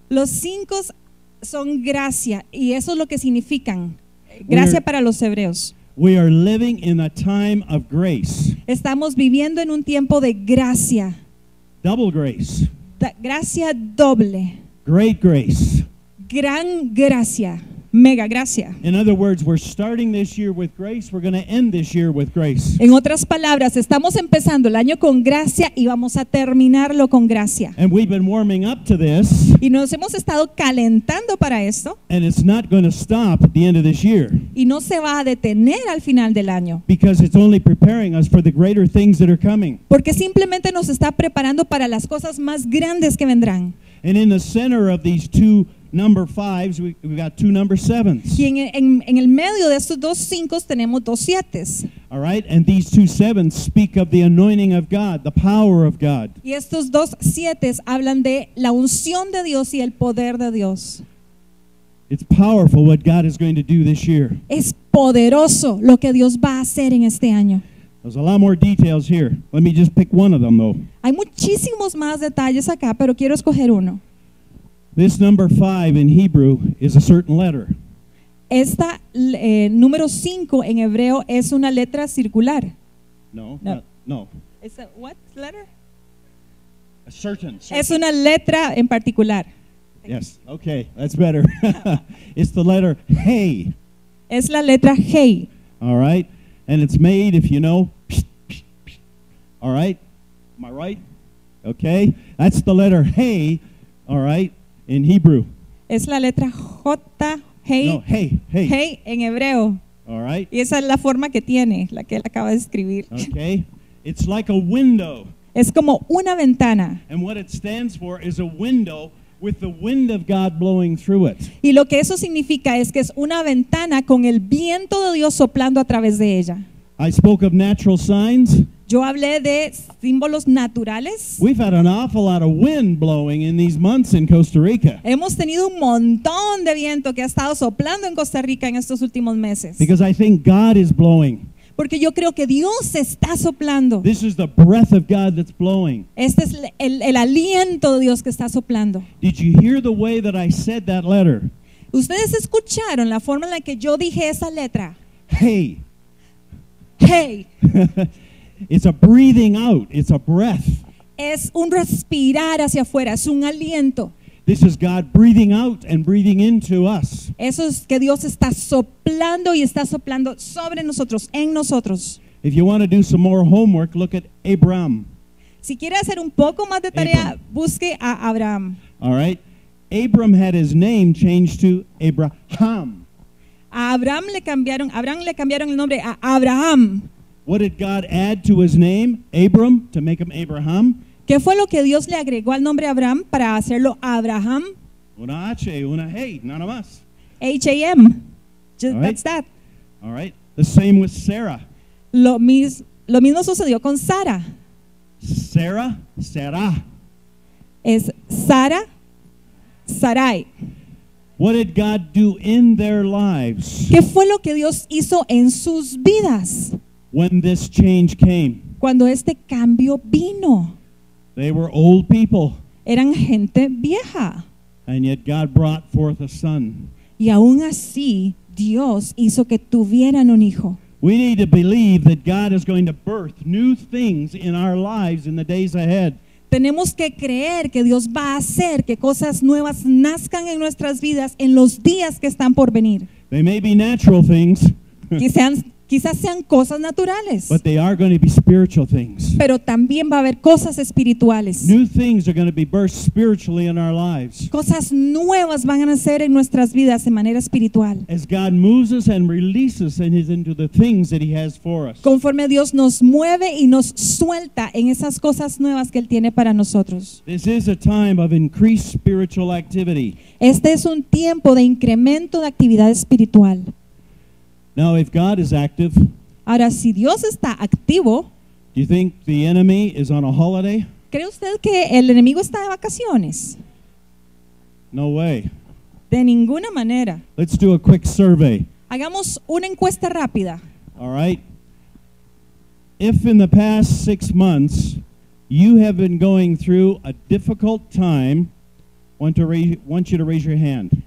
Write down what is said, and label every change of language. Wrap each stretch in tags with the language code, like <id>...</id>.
<es>Los cinco son gracia, y eso es lo que significan. Gracia para los hebreos.</es> <en>We are living in a time of grace.</en> <es>Estamos viviendo en un tiempo de gracia.</es> <en>Double grace.</en> <es>Gracia doble.</es> <en>Great grace.</en> <es>Gran gracia. Mega gracia.</es> <en>In other words, we're starting this year with grace, we're going to end this year with grace.</en> <es>En otras palabras, estamos empezando el año con gracia y vamos a terminarlo con gracia.</es> <en>And we've been warming up to this.</en> <es>Y nos hemos estado calentando para esto.</es> <en>And it's not going to stop at the end of this year.</en> <es>Y no se va a detener al final del año.</es> <en>Because it's only preparing us for the greater things that are coming.</en> <es>Porque simplemente nos está preparando para las cosas más grandes que vendrán.</es> <en>And in the center of these two number fives, we've got two number sevens.</en> <es>Y en el medio de estos dos cinco tenemos dos sietes.</es> <en>All right, and these two sevens speak of the anointing of God, the power of God.</en> <es>Y estos dos siete hablan de la unción de Dios y el poder de Dios.</es> <en>It's powerful what God is going to do this year.</en> <es>Es poderoso lo que Dios va a hacer en este año.</es> <en>There's a lot more details here. Let me just pick one of them, though.</en> <es>Hay muchísimos más detalles acá, pero quiero escoger uno.</es> <en>This number five in Hebrew is a certain letter.</en> <es>Esta número cinco en hebreo es una letra circular.</es> <en>No. It's a what letter? A certain.</en> <es>Es una letra en particular.</es> <en>Yes. Okay. That's better. It's the letter Hey.</en> <es>Es la letra Hey.</es> <en>All right. And it's made, if you know. All right. Am I right? Okay. That's the letter Hey. All right. In Hebrew.</en> <es>Es la letra J, hey.</es> <en>No, hey, hey.</en> <es>Hey, en hebreo.</es> <en>All right.</en> <es>Y esa es la forma que tiene, la que él acaba de escribir.</es> <en>Okay. It's like a window.</en> <es>Es como una ventana.</es> <en>And what it stands for is a window with the wind of God blowing through it.</en> <es>Y lo que eso significa es que es una ventana con el viento de Dios soplando a través de ella.</es> <en>I spoke of natural signs.</en> <es>Yo hablé de símbolos naturales.</es> <en>We've had an awful lot of wind blowing in these months in Costa Rica.</en> <es>Hemos tenido un montón de viento que ha estado soplando en Costa Rica en estos últimos meses.</es> <en>Because I think God is blowing.</en> <es>Porque yo creo que Dios está soplando.</es> <en>This is the breath of God that's blowing.</en> <es>Este es el aliento de Dios que está soplando.</es> <en>Did you hear the way that I said that letter?</en> <es>¿Ustedes escucharon la forma en la que yo dije esa letra?</es> <en>Hey.</en> <es>Hey.</es> <en>It's a breathing out. It's a breath.</en> <es>Es un respirar hacia afuera. Es un aliento.</es> <en>This is God breathing out and breathing into us.</en> <es>Eso es que Dios está soplando y está soplando sobre nosotros, en nosotros.</es> <en>If you want to do some more homework, look at Abraham.</en> <es>Si quiere hacer un poco más de tarea, Abraham. Busque a Abraham.</es> <en>All right. Abraham had his name changed to Abraham.</en> <es>Abraham le cambiaron el nombre a Abraham.</es> <en>What did God add to his name, Abram, to make him Abraham?</en> <es>¿Qué fue lo que Dios le agregó al nombre Abraham para hacerlo Abraham? Una H, una H, nada más.</es> <en>H-A-M. Just, right. That's that. All right. The same with Sarah.</en> <es>Lo mismo sucedió con Sarah.</es> <en>Sarah, Sarah.</en> <es>Es Sarah, Sarai.</es> <en>What did God do in their lives?</en> <es>¿Qué fue lo que Dios hizo en sus vidas?</es> <en>When this change came.</en> <es>Cuando este cambio vino.</es> <en>They were old people.</en> <es>Eran gente vieja.</es> <en>And yet God brought forth a son.</en> <es>Y aún así, Dios hizo que tuvieran un hijo.</es> <en>We need to believe that God is going to birth new things in our lives in the days ahead.</en> <es>Tenemos que creer que Dios va a hacer que cosas nuevas nazcan en nuestras vidas en los días que están por venir.</es> <en>They may be natural things.</en> <es>Quizás sean cosas naturales.</es> <en>But they are going to be spiritual things.</en> <es>Pero también va a haber cosas espirituales.</es> <en>New things are going to be birthed spiritually in our lives.</en> <es>Cosas nuevas van a nacer en nuestras vidas de manera espiritual.</es> <en>As God moves us and releases us into the things that he has for us.</en> <es>Conforme Dios nos mueve y nos suelta en esas cosas nuevas que él tiene para nosotros.</es> <en>This is a time of increased spiritual activity.</en> <es>Este es un tiempo de incremento de actividad espiritual.</es> <en>Now, if God is active,</en> <es>ahora, si Dios está activo,</es> <en>do you think the enemy is on a holiday?</en> <es>¿Cree usted que el enemigo está de vacaciones?</es> <en>No way.</en> <es>De ninguna manera.</es> <en>Let's do a quick survey.</en> <es>Hagamos una encuesta rápida.</es> <en>All right. If in the past 6 months you have been going through a difficult time, I want you to raise your hand.</en>